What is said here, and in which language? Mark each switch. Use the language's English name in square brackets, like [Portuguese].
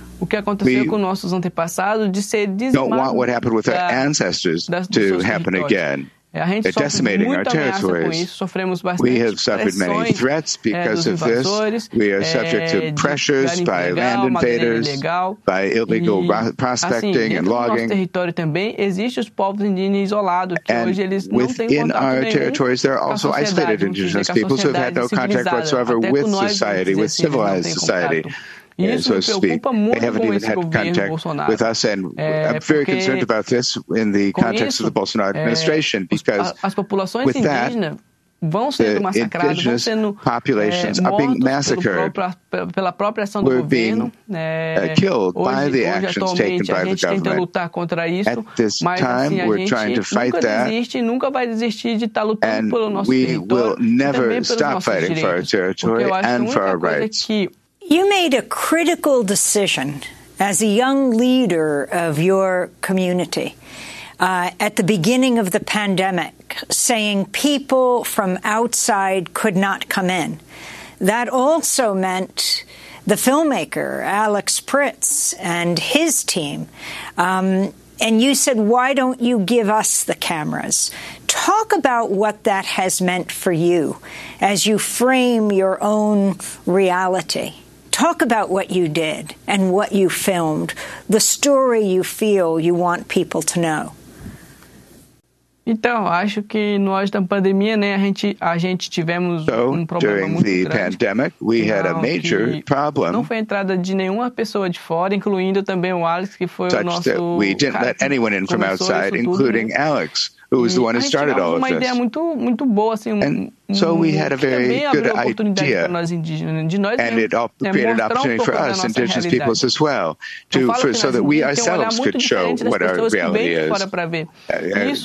[Portuguese] O que aconteceu com nossos antepassados de ser dizimado. [English] Don't want what happened with our ancestors to happen again. They're decimating our territories. We have suffered many threats because of this. We are subject to pressures by land invaders, by illegal prospecting and logging. And within our territories, there are also isolated indigenous peoples who have had no contact whatsoever with society, with civilized society. [Portuguese] Isso me preocupa muito. [English] They haven't even had contact with us, and I'm very concerned about this in the context of the Bolsonaro administration, because [Portuguese] as populações indígenas vão sendo [English] populations are being massacred [Portuguese] pela própria ação do governo, [English] killed by the actions taken by the government. [Portuguese] A gente tenta lutar contra isso, mas assim, a gente nunca desiste e nunca vai desistir de estar lutando pelo nosso território. [English] We will never stop fighting for our territory and for our rights. You made a critical decision as a young leader of your community at the beginning of the pandemic, saying people from outside could not come in. That also meant the filmmaker, Alex Pritz, and his team. And you said, why don't you give us the cameras? Talk about what that has meant for you as you frame your own reality. Talk about what you did and what you filmed, the story you feel you want people to know. [Portuguese] Então, acho que nós da pandemia, né, a gente tivemos um problema [English] during [Portuguese] muito [English] the [Portuguese] grande. [English] Pandemic, we had a major problem. [Portuguese] Não foi entrada de nenhuma pessoa de fora, incluindo também o Alex, que foi o nosso. [English] We didn't let anyone in from outside, including Alex, who was the one who started all of this. [Portuguese] Uma ideia muito boa, assim, [English] so we had a very good idea, and it created an opportunity for us, indigenous peoples as well, so that we ourselves could show what our reality is.